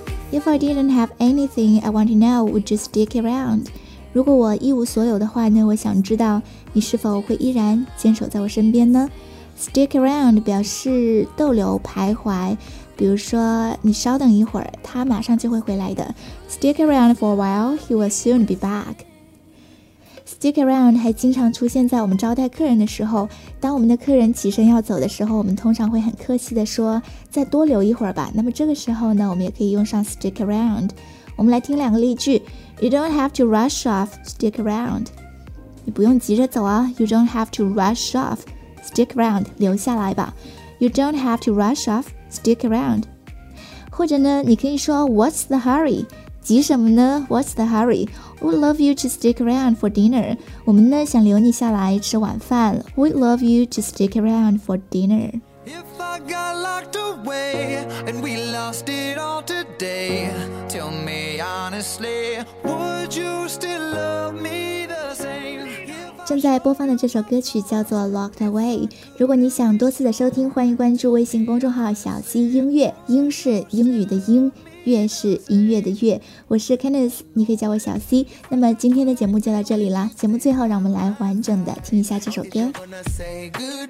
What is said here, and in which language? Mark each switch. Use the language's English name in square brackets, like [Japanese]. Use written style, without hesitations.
[English] If I didn't have anything, I want to know, would you stick around? [Chinese] 如果我一无所有的话呢，我想知道你是否会依然坚守在我身边呢？ Stick around 表示逗留、徘徊，比如说你稍等一会儿，他马上就会回来的。 [English] Stick around for a while, he will soon be back。 [Chinese] Stick around 还经常出现在我们招待客人的时候，当我们的客人起身要走的时候，我们通常会很客气地说再多留一会儿吧。那么这个时候呢，我们也可以用上 stick around。我们来听两个例句。 [English] You don't have to rush off, stick around。 [Chinese] 你不用急着走啊。 [English] You don't have to rush off, stick around, [Chinese] 留下来吧。 [English] You don't have to rush off, stick around。 [Chinese] 或者呢，你可以说 [English] What's the hurry? [Chinese] 急什么呢？ [English] What's the hurry? We'd love you to stick around for dinner。 [Chinese] 我们呢想留你下来吃晚饭。 [English] We'd love you to stick around for dinner。 If I got locked away and we lost it all today, tell me honestly, would you still love me the same? [Chinese] 正在播放的这首歌曲叫做 Locked Away。如果你想多次的收听，欢迎关注微信公众号小C音乐，英是英语的英，乐是音乐的乐。我是 Candice， 你可以叫我小 C。那么今天的节目就到这里了，节目最后让我们来完整的听一下这首歌。